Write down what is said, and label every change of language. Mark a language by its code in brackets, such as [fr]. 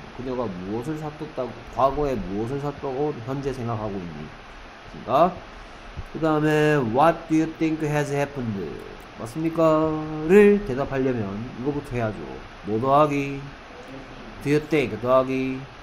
[ko] 그녀가 무엇을 샀었다고, 과거에 무엇을 샀다고 현재 생각하고 있니? 그니까. 그 다음에, [en] What do you think has happened? [ko] 맞습니까?를 대답하려면, 이거부터 해야죠. 뭐 더하기? [en] Do you think [ko] 더하기?